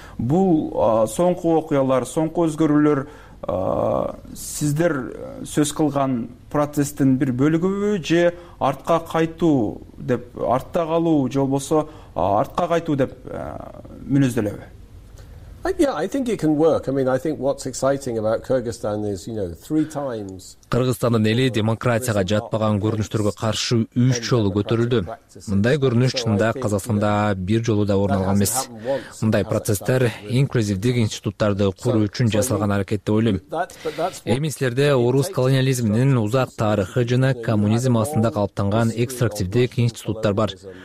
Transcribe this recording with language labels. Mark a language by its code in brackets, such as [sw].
[ky] Бул соңку окуялар, соңку өзгөрүүлөр сиздер сөз кылган процесстин бир бөлүгүбү же артка кайтуу деп, артта калуу же болбосо артка кайтуу деп мүнөздөлөбү? [en] Yeah, I think it can work. I mean, I think what's exciting about Kyrgyzstan is, you know, 3 times. [ky] Кыргызстандын эли демократияга жатпаган көрүнүштөргө каршы 3 жолу көтөрүлдү. Мындай көрүнүш чынында Казакстанда бир жолу да орун алган эмес. Мындай процесстер инклюзивдик институттарды куруу үчүн жасалган аракет деп ойлойм. Эми силерде орус колониализминин узак тарыхы жана коммунизм астында калыптанган экстрактивдик институттар бар.